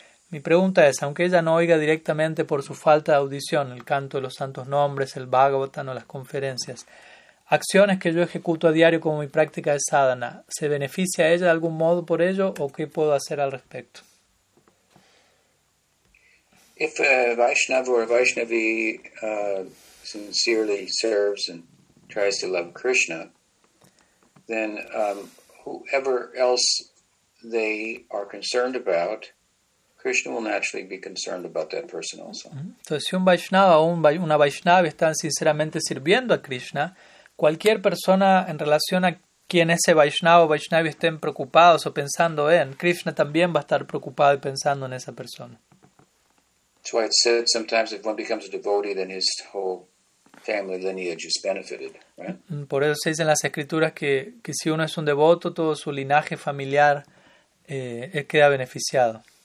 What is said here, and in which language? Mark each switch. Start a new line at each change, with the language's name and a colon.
Spanish: Mi pregunta es, aunque ella no oiga directamente por su falta de audición, el canto de los santos nombres, el Bhagavatam o las conferencias, acciones que yo ejecuto a diario como mi práctica de sadhana, ¿se beneficia ella de algún modo por ello o qué puedo hacer al respecto?
English: If a Vaishnava or a Vaishnavi sincerely serves and tries to love Krishna, then whoever else they are concerned about, Krishna will naturally be concerned about that person also.
Spanish: Entonces, si un Vaishnava o una Vaishnavi están sinceramente sirviendo a Krishna, cualquier persona en relación a quien ese Vaishnava o Vaishnavi estén preocupados o pensando en, Krishna también va a estar preocupado y pensando en esa persona.
English: That's why it's said sometimes if one becomes a devotee, then his whole family lineage is benefited, right?
Spanish: Por eso se dice en las escrituras que si uno es un devoto, todo su linaje familiar queda beneficiado.